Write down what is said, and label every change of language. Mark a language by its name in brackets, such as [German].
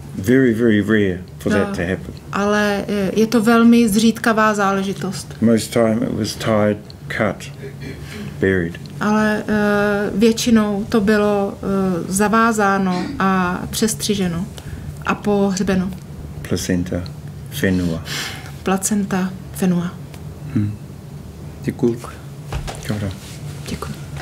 [English] Very, very rare for that to happen. [Czech] Ale je to velmi zřídkavá záležitost. [English] Most time it was tied, cut, buried. [Czech] Ale většinou to bylo zavázáno a přestřiženo a pohřbeno. [English] Placenta, fenua. [Czech] Placenta, fenua. Děkuju.